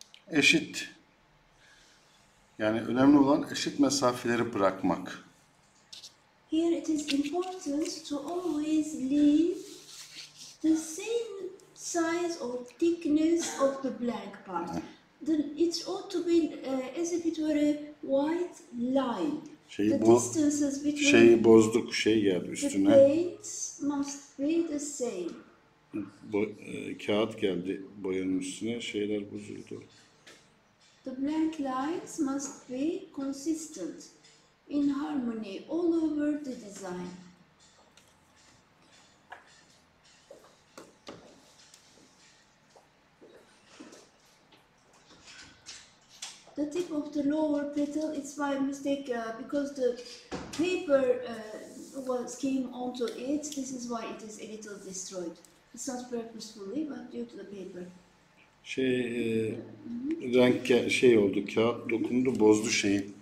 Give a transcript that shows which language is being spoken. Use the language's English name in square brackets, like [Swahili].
[Turkish] eşit, yani önemli olan eşit mesafeleri bırakmak. [English] Here it is important to always leave the same size or thickness of the black part. It ought to be as if it were a white line. [Turkish] Şeyi [English] the distances between [Turkish] şeyi bozduk, şey geldi üstüne. [English] The paints must be the same. [Turkish] Kağıt geldi boyanın üstüne, şeyler bozuldu. [English] The blank lines must be consistent in harmony all over the design. The tip of the lower petal is by mistake because the paper was came onto it. This is why it is a little destroyed. It's not purposefully, but due to the paper. [Turkish] Şey renk şey oldu, kağıt dokundu, bozdu şeyi.